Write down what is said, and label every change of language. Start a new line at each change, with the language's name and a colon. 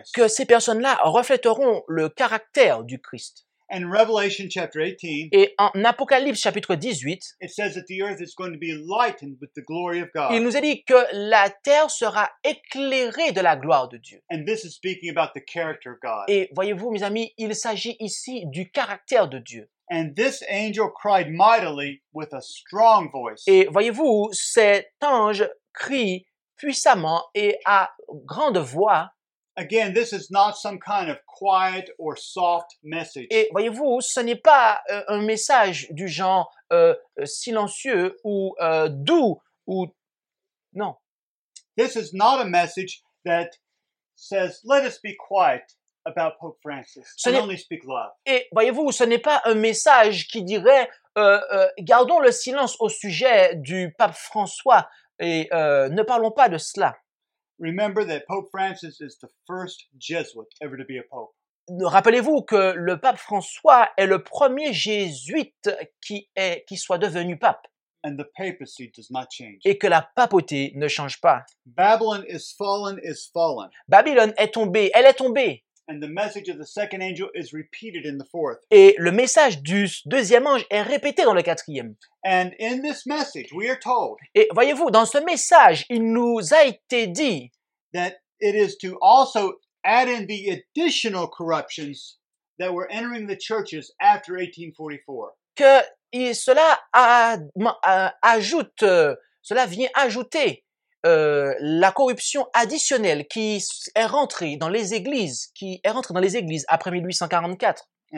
French: Que ces personnes-là refléteront le caractère du Christ.
English: And Revelation chapter 18,
French: et en Apocalypse chapitre 18,
English: it says that the earth is going to be lightened with the glory of God.
French: Il nous est dit que la terre sera éclairée de la gloire de Dieu.
English: And this is speaking about the character of God.
French: Et voyez-vous, mes amis, il s'agit ici du caractère de Dieu.
English: And this angel cried mightily with a strong voice.
French: Et voyez-vous, cet ange crie puissamment et à grande voix.
English: Again, this is not some kind of quiet or soft message.
French: Et voyez-vous, ce n'est pas un message du genre silencieux ou doux ou non.
English: This is not a message that says, "Let us be quiet about Pope Francis, and only speak love."
French: Et voyez-vous, ce n'est pas un message qui dirait gardons le silence au sujet du pape François et ne parlons pas de cela.
English: Remember that Pope Francis is the first Jesuit ever to be a pope.
French: Rappelez-vous que le pape François est le premier jésuite qui soit devenu pape.
English: And the papacy does not change.
French: Et que la papauté ne change pas.
English: Babylon is fallen.
French: Babylone est tombée, elle est tombée.
English: And the message of the second angel is repeated in the fourth.
French: Et le message du deuxième ange est répété dans le quatrième.
English: And in this message, we are told.
French: Et voyez-vous, dans ce message, il nous a été dit
English: that it is to also add in the additional corruptions that were entering the churches after 1844.
French: Que cela ajoute, cela vient ajouter. La corruption additionnelle qui est rentrée dans les églises, après 1844.